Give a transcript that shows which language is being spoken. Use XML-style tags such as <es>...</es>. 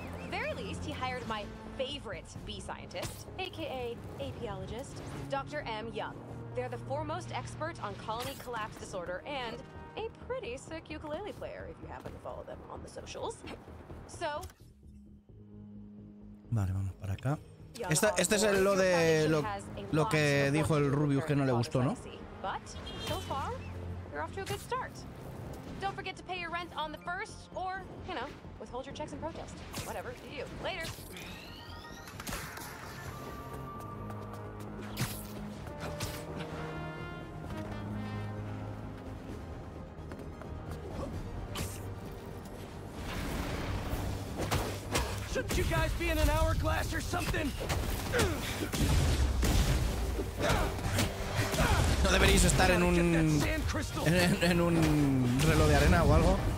<en>Very least, he hired my favorite bee scientist, aka apiologist, Dr. M. Young. They're the foremost expert on colony collapse disorder and a pretty sick ukulele player, if you happen to follow them on the socials. So.</en> <es>Vale, vamos para acá. Este es lo que dijo el Rubius que no le gustó, ¿no?</es> <en>But so far, you're off to a good start. Don't forget to pay your rent on the first, or, you know, withhold your checks in protest. Whatever, you. Later. Shouldn't you guys be in an hourglass or something?</en> <es>No deberíais estar en un reloj de arena o algo.</es>